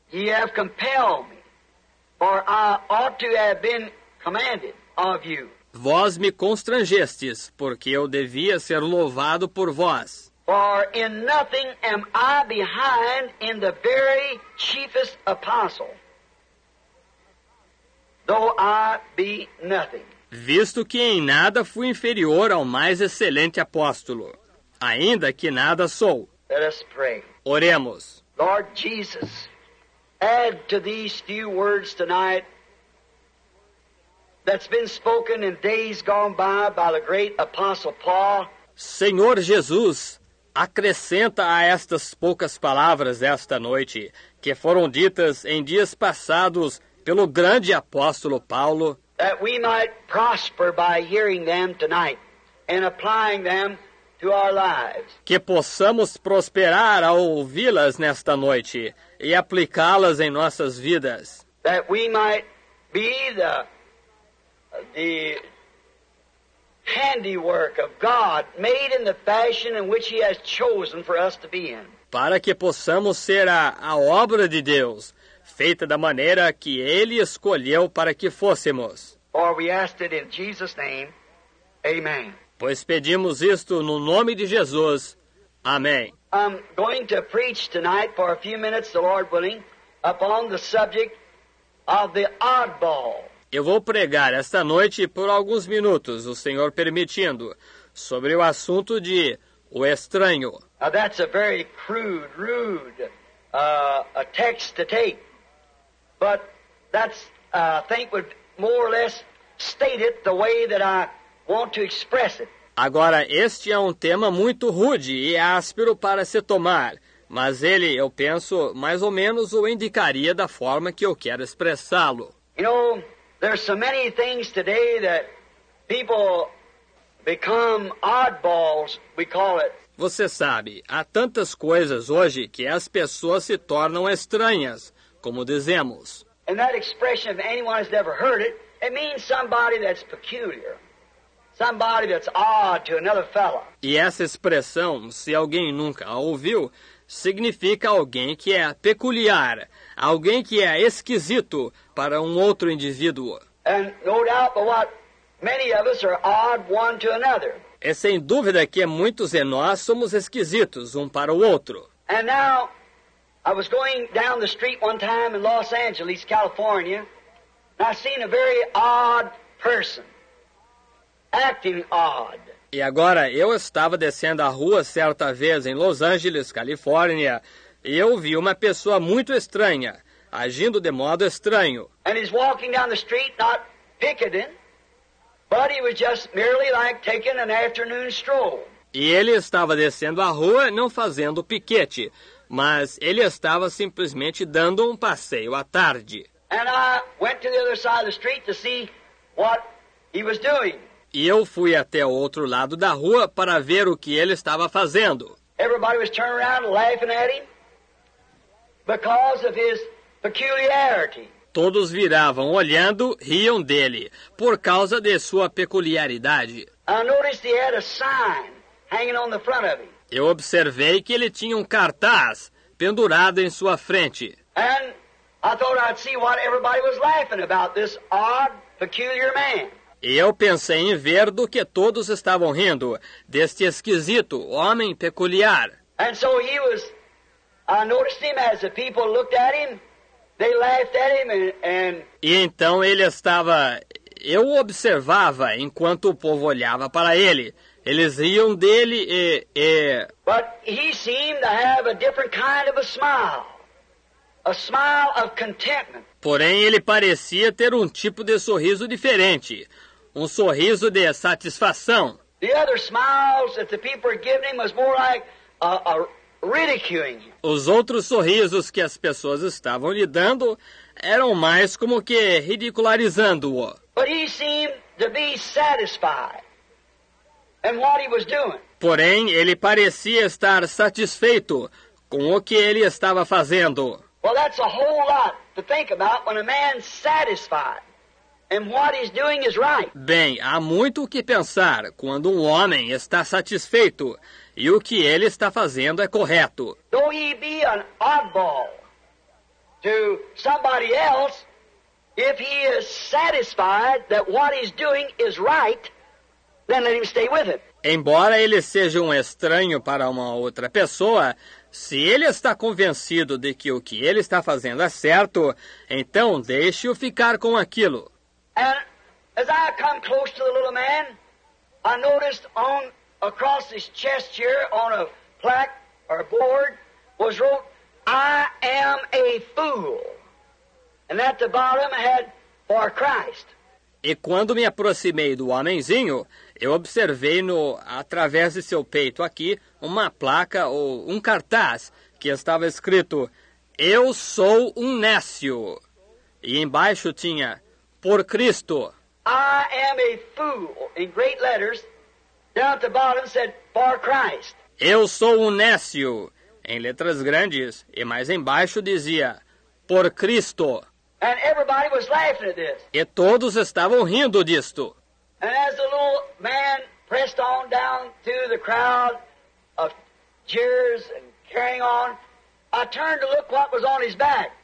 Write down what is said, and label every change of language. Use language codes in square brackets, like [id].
[en] Ye have compelled me, for I ought to have been commanded of you. [pt] Vós me constrangestes, porque eu devia ser louvado por vós. [en] For in nothing am I behind in the very chiefest apostle, though I be nothing. [pt] Visto que em nada fui inferior ao mais excelente apóstolo, ainda que nada sou. [en] Let us pray. [pt] Oremos. [en] Lord Jesus, add to these few words tonight that's been spoken in days gone by the great apostle Paul. [pt] Senhor Jesus, acrescenta a estas poucas palavras esta noite que foram ditas em dias passados pelo grande apóstolo Paulo. [en] That we might prosper by hearing them tonight and applying them to our lives. [pt] Que possamos prosperar ao ouvi-las nesta noite e aplicá-las em nossas vidas. [en] That we might be the handiwork of God made in the fashion in which He has chosen for us to be in. [pt] Para que possamos ser a obra de Deus, feita da maneira que Ele escolheu para que fôssemos. [en] For we ask it in Jesus' name, amen. [pt] Pois pedimos isto no nome de Jesus, amém. [en] I'm going to preach tonight for a few minutes, the Lord willing, upon the subject of the oddball. [pt] Eu vou pregar esta noite por alguns minutos, o Senhor permitindo, sobre o assunto de o estranho. [en] Now that's a very crude, rude a text to take, but that's I think would more or less state it the way that I want to express it. [pt] Agora, este é um tema muito rude e áspero para se tomar, mas ele, eu penso, mais ou menos o indicaria da forma que eu quero expressá-lo. [en] You know, there's so many things today that people become oddballs, we call it. [pt] Você sabe, há tantas coisas hoje que as pessoas se tornam estranhas, como dizemos. [en] And that expression, if anyone has never heard it, it means somebody that's peculiar. Somebody that's odd to another fellow. [pt] E essa expressão, se alguém nunca a ouviu, significa alguém que é peculiar, alguém que é esquisito para um outro indivíduo. [en] And no doubt but what many of us are odd one to another. [pt] É sem dúvida que muitos de nós somos esquisitos um para o outro. [en] And now, I was going down the street one time in Los Angeles, California, and I seen a very odd person. Acting odd. [pt] E agora, eu estava descendo a rua certa vez em Los Angeles, Califórnia, e eu vi uma pessoa muito estranha, agindo de modo estranho. [en] And he's walking down the street, not picketing, but he was just merely like taking an afternoon stroll. [pt] E ele estava descendo a rua, não fazendo piquete, mas ele estava simplesmente dando um passeio à tarde. [en] And I went to the other side of the street to see what he was doing. [pt] E eu fui até o outro lado da rua para ver o que ele estava fazendo. [en] Everybody was turning around laughing at him because of his peculiarity. [pt] Todos viravam olhando, riam dele, por causa de sua peculiaridade. [en] I noticed he had a sign hanging on the front of him. [pt] Eu observei que ele tinha um cartaz pendurado em sua frente. [en] And I thought I'd see what everybody was laughing about, this odd, peculiar man. [pt] E eu pensei em ver do que todos estavam rindo, deste esquisito homem peculiar. [en] And so he was, I noticed him as the people looked at him, They laughed at him and... [pt] E então ele estava... Eu observava enquanto o povo olhava para ele. Eles riam dele e... [en] But he seemed to have a different kind of a smile. A smile of contentment. [pt] Porém, ele parecia ter um tipo de sorriso diferente. Um sorriso de satisfação. [en] The other smiles that the people were giving him was more like a ridiculing him. [pt] Os outros sorrisos que as pessoas estavam lhe dando eram mais como que ridicularizando-o. [en] But he seemed to be satisfied in what he was doing. [pt] Porém, ele parecia estar satisfeito com o que ele estava fazendo. [en] Well, that's a whole lot to think about when a man's satisfied. And what he's doing is right. [pt] Bem, há muito o que pensar quando um homem está satisfeito e o que ele está fazendo é correto. [en] Though he be an oddball to somebody else, if he is satisfied that what he's doing is right, then let him stay with it. [pt] Embora ele seja um estranho para uma outra pessoa, se ele está convencido de que o que ele está fazendo é certo, então deixe-o ficar com aquilo. [en] And as I come close to the little man, I noticed on across his chest here on a plaque or board was wrote, I am a fool. And at the bottom had for Christ. [pt] E quando me aproximei do homenzinho, eu observei no através de seu peito aqui uma placa ou um cartaz que estava escrito, Eu sou um nécio. E embaixo tinha... Por Cristo. [en] I am a fool, in great letters, down at the bottom said, for Christ. [pt] Eu sou um nécio, em letras grandes, e mais embaixo dizia, por Cristo. [en] And everybody was laughing at this. [pt] E todos estavam rindo disto. [en] And as the little man pressed on down to the crowd of jeers and carrying on, I turned to look what was on his back.